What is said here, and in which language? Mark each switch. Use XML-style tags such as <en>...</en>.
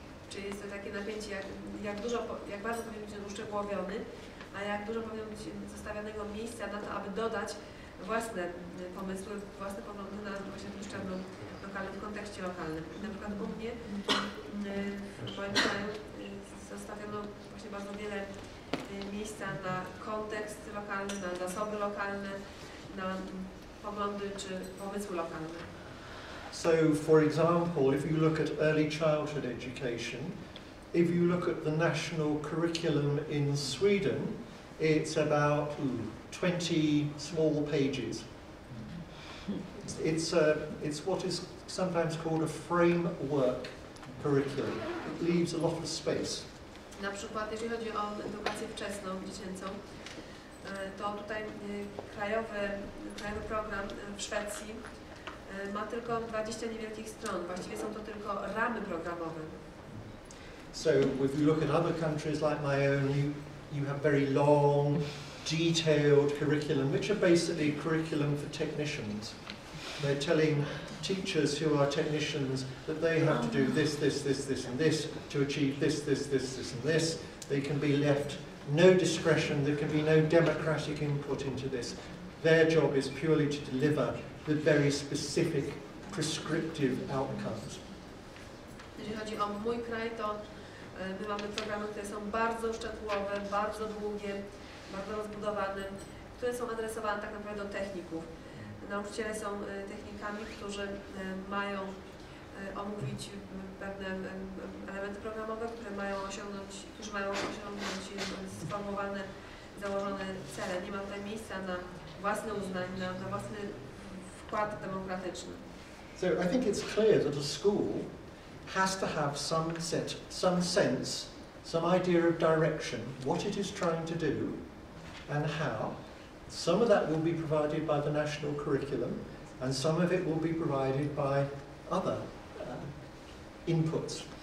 <pl>Czy jest to takie napięcie, jak bardzo powinien być uszczegółowiony, a jak dużo powinien być zostawionego miejsca na to, aby dodać własne pomysły, własne poglądy na właśnie tym szczeblu lokalnym, w kontekście lokalnym. Na przykład u mnie w moim kraju zostawiono właśnie bardzo wiele miejsca na kontekst lokalny, na zasoby lokalne, na poglądy czy pomysły lokalne.</pl> <en>So, for example, if you look at early childhood education, if you look at the national curriculum in Sweden, it's about 20 small pages. It's what is sometimes called a framework curriculum. It leaves a lot of space.</en> <pl>Na przykład, jeśli chodzi o edukację wczesną, dziecięcą, to tutaj krajowy program w Szwecji ma tylko 20 niewielkich stron. Właściwie są to tylko ramy programowe.</pl> <en>So, if you look at other countries like my own, you have very long, detailed curriculum, which are basically curriculum for technicians. They're telling teachers who are technicians that they have to do this, this, this, this, and this to achieve this, this, this, this, and this. They can be left no discretion. There can be no democratic input into this. Their job is purely to deliver the very specific prescriptive outcomes.</en> <pl>Jeżeli chodzi o mój kraj, to my mamy programy, które są bardzo szczegółowe, bardzo długie, bardzo rozbudowane, które są adresowane tak naprawdę do techników. Nauczyciele są technikami, którzy mają omówić pewne elementy programowe, którzy mają osiągnąć sformułowane, założone cele. Nie ma tutaj miejsca na własne uznanie, na własny wkład demokratyczny.</pl> <en>So I think it's clear that a school has to have some sense, some idea of direction, what it is trying to do and how. Some of that will be provided by the national curriculum and some of it will be provided by other inputs.</en>